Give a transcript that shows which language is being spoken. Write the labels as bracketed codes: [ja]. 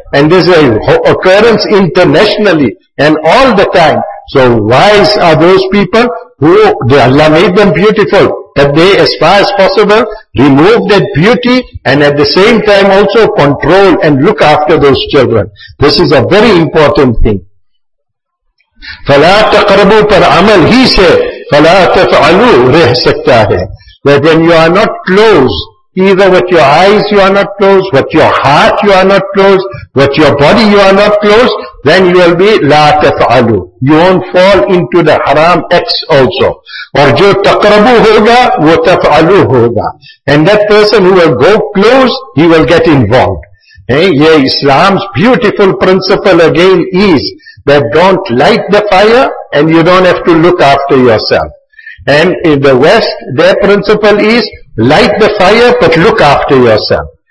[en] And this is an occurrence internationally and all the time. So wise are those people who, Allah made them beautiful, that they as far as possible remove that beauty and at the same time also control and look after those children. This is a very important thing. [ur] فَلَا تَقْرَبُوا پَرْ عَمَلْ ہی سے فَلَا تَفْعَلُوا رَحْ سَكْتَا ہے. [en] That when you are not close, either with your eyes you are not close, with your heart you are not close, with your body you are not close, then you will be لَا تَفْعَلُوا. You won't fall into the haram acts also. [ur] اور جو تقربو ہوگا وہ تفعلو ہوگا. [en] And that person who will go close, he will get involved. Yeah, Islam's beautiful principle again is that don't light the fire and you don't have to look after yourself. And in the West, their principle is light the fire but look after yourself.